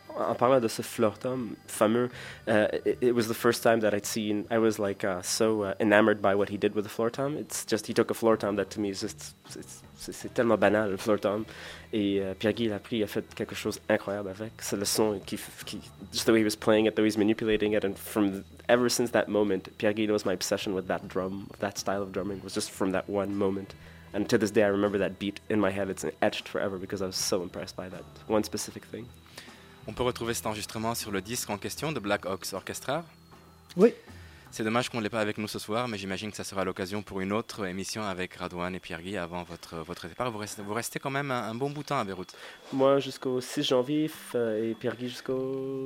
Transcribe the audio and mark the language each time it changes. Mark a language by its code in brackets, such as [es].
[fr] En parlant de ce floor tom fameux, [en] it was the first time that I'd seen. I was like so enamored by what he did with the floor tom. It's just he took a floor tom that to me is just [fr] c'est tellement banal, le floor tom. Et Pierre-Guy l'a pris, il a fait quelque chose d'incroyable avec. C'est le son qui [en] just the way he was playing it, the way he's manipulating it, and from ever since that moment, Pierre-Guy knows my obsession with that drum, that style of drumming was just from that one moment. And to this day, I remember that beat in my head. It's etched forever because I was so impressed by that one specific thing. [fr] On peut retrouver cet enregistrement sur le disque en question de Black Ox Orchestra. Oui. C'est dommage qu'on ne l'ait pas avec nous ce soir, mais j'imagine que ça sera l'occasion pour une autre émission avec Radwan et Pierre-Guy avant votre départ. Vous restez quand même un bon bout de temps à Beyrouth. Moi jusqu'au 6 janvier et Pierre-Guy jusqu'au